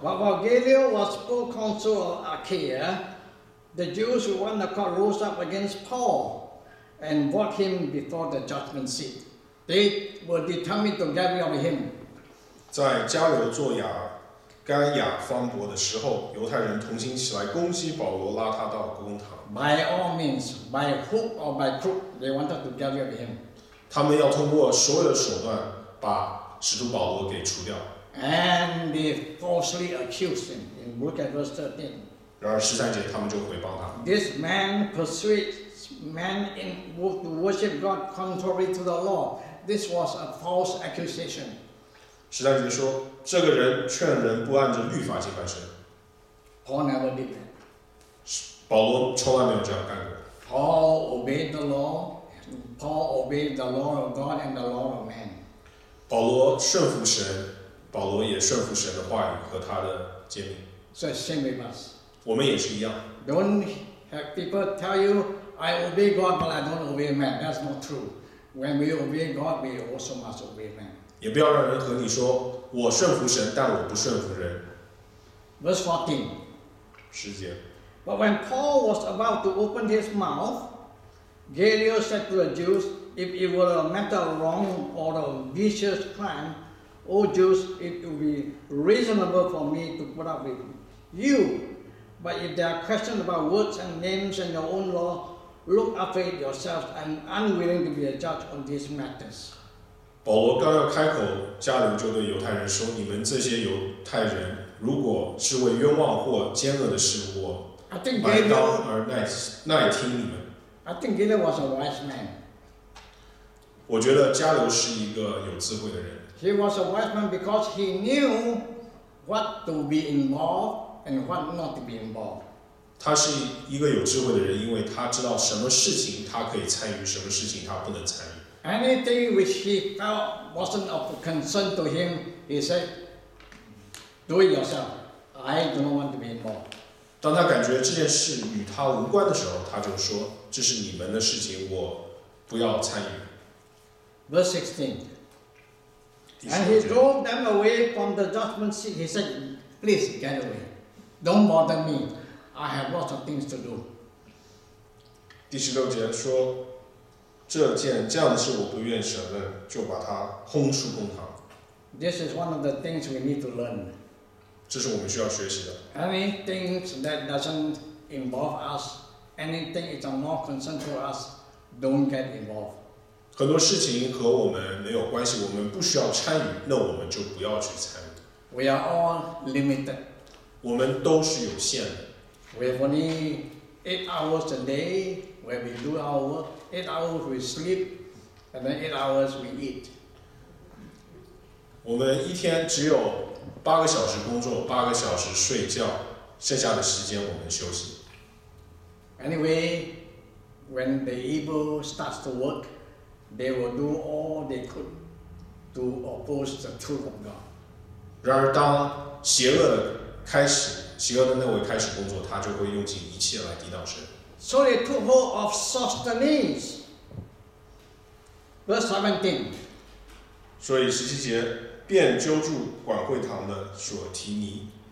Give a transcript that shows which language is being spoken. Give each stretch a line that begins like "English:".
English: While Gallio was proconsul of Achaia, the Jews who won the court rose up against Paul and brought him before the judgment seat. They were determined to get rid of him.
Chinese: 在加流做亚该亚方伯的时候，犹太人同心起来攻击保罗，拉他到公堂。
English: By all means, by hook or by crook, they wanted to get rid of him.
Chinese: 他们要通过所有手段把使徒保罗给除掉。
English: And they falsely accused him. And look at verse 13.
Chinese: 然而十三节他们就回报他。
English: This man persuades men to worship God contrary to the law. This was a false accusation.
Chinese: 十三节说，这个人劝人不按着律法敬拜神。
English: Paul never did that.
Chinese: 保罗从来没有这样干过。
English: Paul obeyed the law. Paul obeyed the law of God and the law of man.
Chinese: 保罗顺服神，保罗也顺服神的话语和他的诫命。
English: So same with us.
Chinese: 我们也是一样。
English: Don't have people tell you, "I obey God, but I don't obey man." That's not true. When we obey God, we also must obey man.
Chinese: 也不要让人和你说，我顺服神，但我不顺服人。
English: Verse 14.
Chinese: 十节。
English: But when Paul was about to open his mouth. Galileo said to the Jews, if it were a matter of wrong or a vicious crime, O Jews, it would be reasonable for me to put up with you. But if there are questions about words and names and your own law, look after it yourselves. I'm unwilling to be a judge on these matters.
Chinese: 保罗刚要开口，加里就对犹太人说：“你们这些犹太人，如果是为冤枉或奸恶的事物，买刀而耐听你们。”
English: I think Galileo was a wise man.
Chinese: 我觉得加里是一个有智慧的人。
English: He was a wise man because he knew what to be involved and what not to be involved.
Chinese: 他是一个有智慧的人，因为他知道什么事情他可以参与，什么事情他不能参与。
English: Anything which he felt wasn't of concern to him, he said, "Do it yourself. I don't want to be involved."
Chinese: 当他感觉这件事与他无关的时候，他就说：“这是你们的事情，我不要参与。”
English: Verse 16. And he drove them away from the judgment seat. He said, "Please get away. Don't bother me. I have lots of things to do."
Chinese: 第十六节说。这样的事我不愿审问，就把他轰出公堂。
English: This is one of the things we need to learn.
Chinese: 这是我们需要学习的。
English: Anything that doesn't involve us, anything is of no concern to us, don't get involved.
Chinese: 很多事情和我们没有关系，我们不需要参与，那我们就不要去参与。
English: We are all limited.
Chinese: 我们都是有限的。
English: We have only 8 hours a day where we do our work. 8 hours we sleep, and then 8 hours we eat.
Chinese: 我们一天只有8个小时工作，8个小时睡觉，剩下的时间我们休息。
English: Anyway, when the evil starts to work, they will do all they could to oppose the truth of God.
Chinese: 然而，当邪恶的开始，邪恶的那位开始工作，他就会用尽一切来抵挡神。
English: So they took hold of Sosthenes. Verse 17.
Chinese: 所以十七节便揪住管会堂的索提尼。